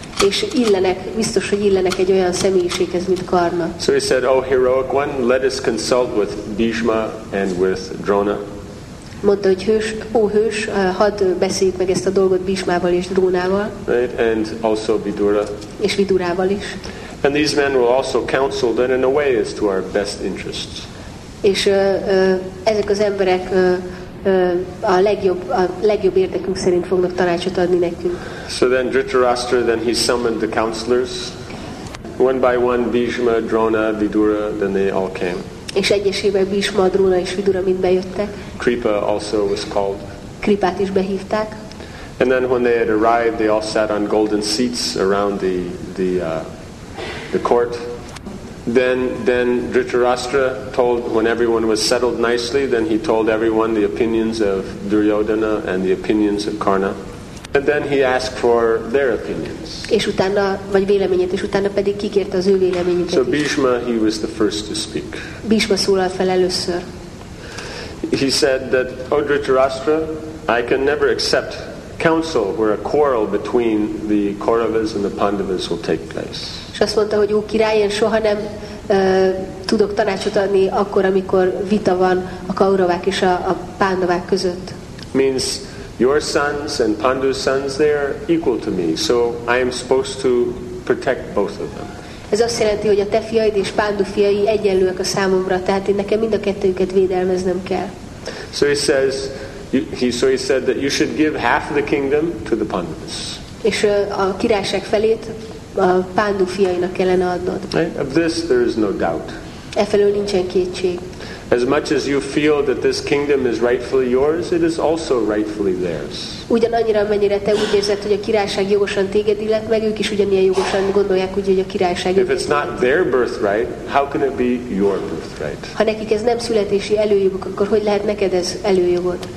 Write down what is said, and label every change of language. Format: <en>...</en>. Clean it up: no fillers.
<hu>És illenek, biztos, hogy illenek egy olyan személyiséghez, mint Karna.</hu> <en>So he said, "Oh, heroic one, let us consult with Bhishma and with Drona."</en> <hu>Mondta, hogy hős, ó hős, hadd beszéljük meg ezt a dolgot Bhishmával és Drónával.</hu> <en>Right, and also Vidura.</en> <hu>És Vidurával is.</hu> <en>And these men will also counsel that in a way is to our best interests.</en> <hu>És ezek az emberek a legjobb érdekünk szerint fognak tanácsot adni nekünk.</hu> <en>So then Dhritarashtra, then he summoned the counselors. One by one, Bhishma, Drona, Vidura, then they all came.</en> <hu>És egyesével Bhishma, Drona és Vidura mind bejöttek.</hu> <en>Kripa also was called.</en> <hu>Kripát is behívták.</hu> <en>And then when they had arrived, they all sat on golden seats around the court. Then Dhritarashtra told, when everyone was settled nicely, then he told everyone the opinions of Duryodhana and the opinions of Karna. And then he asked for their opinions.</en> <hu>És utána, vagy véleményét, és utána pedig kikérte az ő véleményüket.</hu> <en>So Bhishma, he was the first to speak.</en> <hu>Bhishma szólalt fel először.</hu> <en>He said that, "O Dhritarashtra, I can never accept counsel where a quarrel between the Kauravas and the Pandavas will take place."</en> <hu>És azt mondta, hogy ó király, én soha nem tudok tanácsot adni akkor, amikor vita van a Kauravák és a Pandavák között.</hu> <en>Means your sons and Pandu's sons, they are equal to me, so I am supposed to protect both of them.</en> <hu>Ez azt jelenti, hogy a te fiaid és Pandu fiai egyenlőek a számomra, tehát én nekem mind a kettőjüket védelmeznem kell.</hu> <en>So he says, he said that you should give half the kingdom to the Pandus.</en> <hu>És a királyság felét a Pandu fiainak kellene adnod.</hu> <en>Of this there is no doubt.</en> <hu>E felől nincsen kétség.</hu> <en>As much as you feel that this kingdom is rightfully yours, it is also rightfully theirs.</en> <hu>Ugyanannyira, amennyire te úgy érzed, hogy a királyság jogosan téged illet, meg ők is ugyanilyen jogosan gondolják, úgy, hogy a királyság.</hu> <en>If it's not their birthright, how can it be your birthright?</en> <hu>Ha nekik ez nem születési előjoguk, akkor hogy lehet neked ez előjogod?</hu>